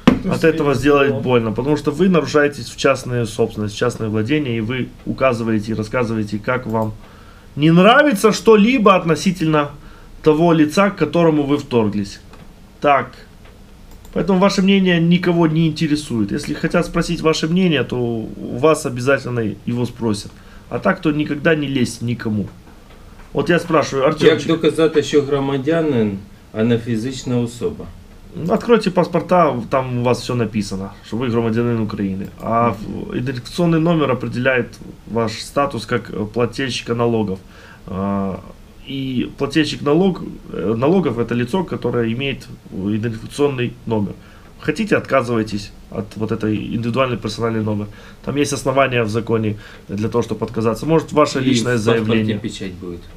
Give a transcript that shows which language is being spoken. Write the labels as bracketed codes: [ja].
[ru] от этого сделает больно, потому что вы нарушаетесь в частную собственность, в частное владение, и вы указываете и рассказываете, как вам не нравится что-либо относительно того лица, к которому вы вторглись. Так. Поэтому ваше мнение никого не интересует. Если хотят спросить ваше мнение, то у вас обязательно его спросят. А так, то никогда не лезть никому. От я спрашиваю, Артемчик. [uk] Як доказати, що громадянин, а не фізична особа? [ru] Откройте паспорта, там у вас все написано, [uk] що ви громадянин України. А ідентифікаційний номер определяє ваш статус як плательщика налогів. [ru] И плательщик налогов – это лицо, которое имеет идентификационный номер. Хотите – отказывайтесь от вот этой индивидуальной персональной номер. Там есть основания в законе для того, чтобы отказаться. Может, ваше и личное заявление. И в паспорте печать будет.